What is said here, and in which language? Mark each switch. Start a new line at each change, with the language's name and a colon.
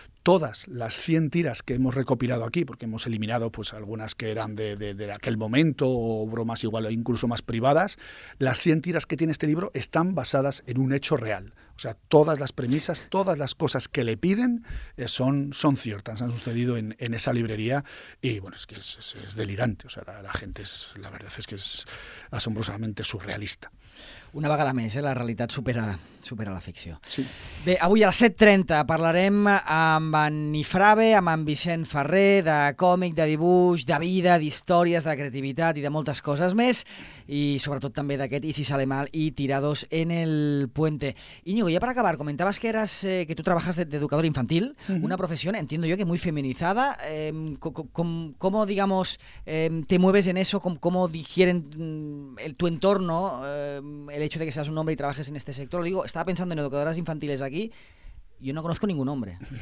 Spanish: Todas las 100 tiras que hemos recopilado aquí, porque hemos eliminado pues algunas que eran de aquel momento, o bromas igual, o incluso más privadas, las 100 tiras que tiene este libro están basadas en un hecho real. O sea, todas las premisas, todas las cosas que le piden son ciertas, han sucedido en esa librería, y bueno, es que es delirante. O sea, la gente, es, la verdad es que es asombrosamente surrealista.
Catalan: Una vegada més, la realitat supera la ficció. Sí. Bé, avui a les 7:30 parlarem amb en Nifrave, amb en Vicent Ferrer, de còmic, de dibuix, de vida, d'històries, de creativitat i de moltes coses més, i sobretot també d'aquest I si sale mal i Tirados en el puente.
Spanish: Íñigo, ya para acabar, comentabas que eras que tú trabajas de educador infantil, uh-huh. Una profesión, entiendo yo, que muy feminizada. ¿Cómo, digamos, te mueves en eso? ¿Cómo digieren tu entorno el hecho de que seas un hombre y trabajes en este sector? Lo digo, estaba pensando en educadoras infantiles aquí. Yo no conozco ningún hombre.